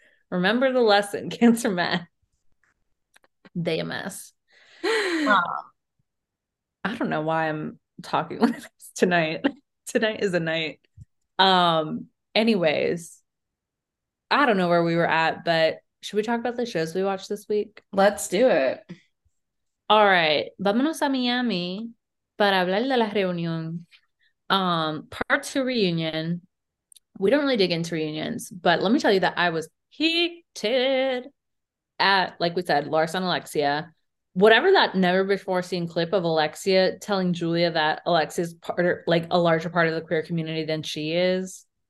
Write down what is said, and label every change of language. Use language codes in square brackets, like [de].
[en] Remember the lesson, Cancer men. They a mess. I don't know why I'm talking like this tonight. Tonight is a night. Anyways, I don't know where we were at, but should we talk about the shows we watched this week? Let's do it. All right. [es] Vámonos a Miami para hablar de la reunión. [en] Part two reunion. We don't really dig into reunions, but let me tell you that I was heated at, like we said, Lars and Alexia. Whatever that never-before-seen clip of Alexia telling Julia that Alexia's part, or, like, a larger part of the queer community than she is.